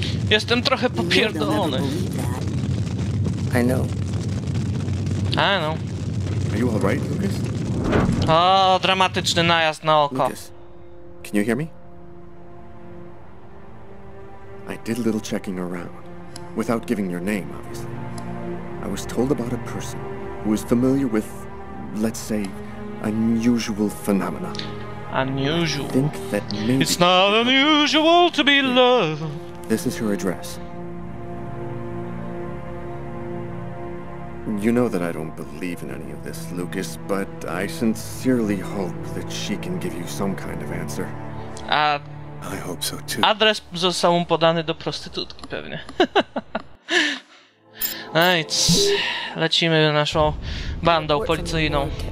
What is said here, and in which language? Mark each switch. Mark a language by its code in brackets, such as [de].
[pl] Jestem trochę popierdolony. [en] I know. Are you all right, Lucas? [pl] O, dramatyczny najazd na oko. [en] Lucas, can you hear me? I did a little checking around, without giving your name, obviously. I was told about a person who is familiar with, let's say, unusual phenomena. Unusual. I think that maybe it's not unusual to be loved. This is her address. You know that I don't believe in any of this, Lucas, but I sincerely hope that she can give you some kind of answer. I hope so too. [pl] Adres został mu podany do prostytutki pewnie. No i lecimy do naszą bandą policyjną.